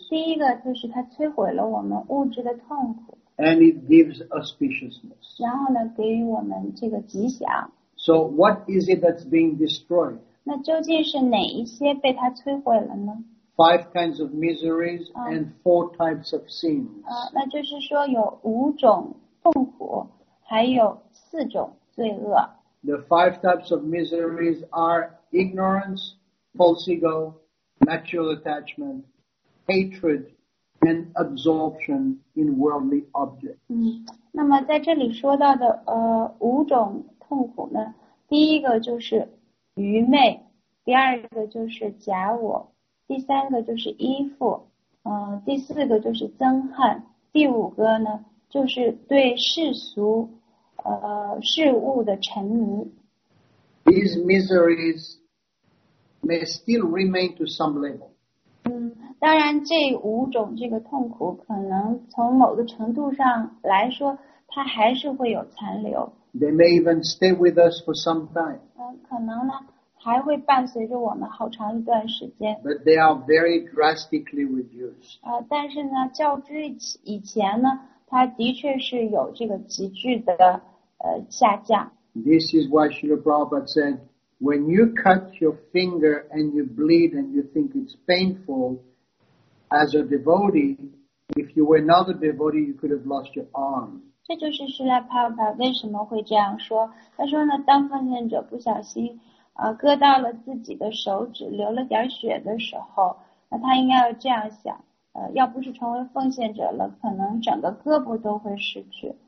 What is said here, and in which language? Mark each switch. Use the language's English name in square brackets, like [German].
[Chinese] 第一个就是它摧毁了我们物质的痛苦。 [English] And it gives auspiciousness. [Chinese] 然后呢，给予我们这个吉祥。 [English] So what is it that's being destroyed? [Chinese] 那究竟是哪一些被它摧毁了呢？ [English] Five kinds of miseries and four types of sins. [Chinese] 那就是说有五种痛苦，还有四种罪恶。 [English] The five types of miseries are ignorance, false ego, natural attachment, hatred, and absorption in worldly objects. [Chinese] 那么在这里说到的五种痛苦呢，第一个就是愚昧，第二个就是假我，第三个就是依附，第四个就是憎恨，第五个呢就是对世俗事物的沉迷。 [English] These miseries may still remain to some level. [Chinese] 当然这五种这个痛苦可能从某个程度上来说它还是会有残留。 [English] They may even stay with us for some time. [Chinese] 可能呢还会伴随着我们好长一段时间。 [English] But they are very drastically reduced. [Chinese] 但是呢较之以前呢它的确是有这个急剧的下降。 [English] This is why Srila Prabhupada said,When you cut your finger and you bleed and you think it's painful, as a devotee, if you were not a devotee, you could have lost your arm. [Chinese] 这就是释迦牟尼佛为什么会这样说。他说呢，当奉献者不小心割到了自己的手指，流了点血的时候，那他应该要这样想，要不是成为奉献者了，可能整个胳膊都会失去。